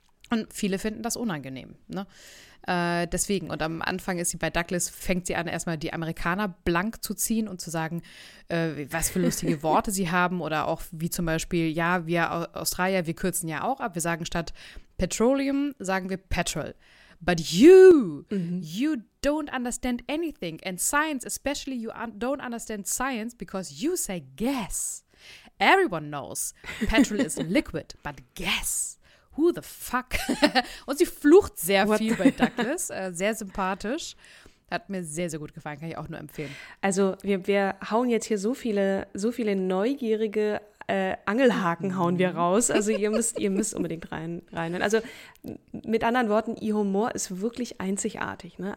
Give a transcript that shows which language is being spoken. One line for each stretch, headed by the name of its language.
German: Und viele finden das unangenehm, ne? Deswegen, und am Anfang ist sie bei Douglas, fängt sie an, erstmal die Amerikaner blank zu ziehen und zu sagen, was für lustige Worte sie haben oder auch wie zum Beispiel, ja, wir Australier, wir kürzen ja auch ab, wir sagen statt Petroleum, sagen wir Petrol.
English: But you don't understand anything and science, especially you don't understand science because you say gas. Everyone knows petrol is liquid, but gas. Who the fuck?
German: Und sie flucht sehr viel bei Douglas. Sehr sympathisch. Hat mir sehr, sehr gut gefallen. Kann ich auch nur empfehlen. Also wir hauen jetzt hier so viele neugierige Angelhaken hauen wir raus. Also ihr müsst unbedingt rein. Also mit anderen Worten, ihr Humor ist wirklich einzigartig. Ne?